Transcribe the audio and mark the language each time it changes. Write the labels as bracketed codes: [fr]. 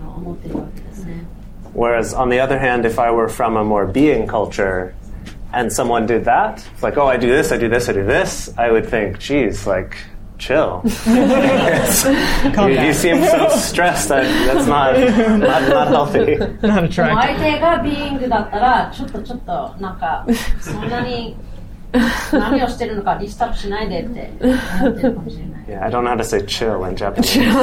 [ja] で、まあ、自分、例えばアメリカの場合は、doingのの文化ですから、相手に、私とあれとこれとあれと、このポッドキャストもやってるし、あのポッドキャストも今度はやるつもりとか、それが自分の相手にアピールをする、それを言ったら、もう認めてもらえるっていうふうには、思ってるわけですね。 [en] Whereas on the other hand, if I were from a more being culture, and someone did that, like, oh, I do this, I do this, I do this, I would think, geez, like, chill. you seem so stressed. That's not healthy. Not attractive. [ja] 相手がビーイングだったら、ちょっとなんか、そんなに何をしてるのかリストアップしないでって。 [en] Yeah, I don't know how to say chill in Japanese.